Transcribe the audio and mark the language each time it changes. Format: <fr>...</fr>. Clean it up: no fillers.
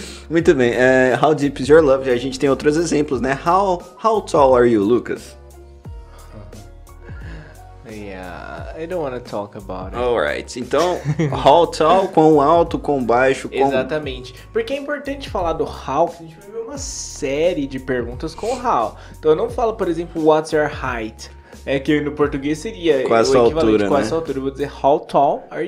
<pt>Muito bem.</pt> <en>How deep is your love?</en> <pt>A gente tem outros exemplos, né?</pt> <en>How tall are you, Lucas? Yeah, I don't want to talk about it.</en> <pt>Alright, então,</pt> <en>how tall,</en> <pt>quão alto, quão baixo, quão... Exatamente, porque é importante falar do how, porque a gente vai ver uma série de perguntas com how. Então, eu não falo, por exemplo,</pt> <en>what's your height,</en> <pt>é que no português seria qual o equivalente altura, qual né? A sua altura. Eu vou dizer</pt> <en>how tall are</en>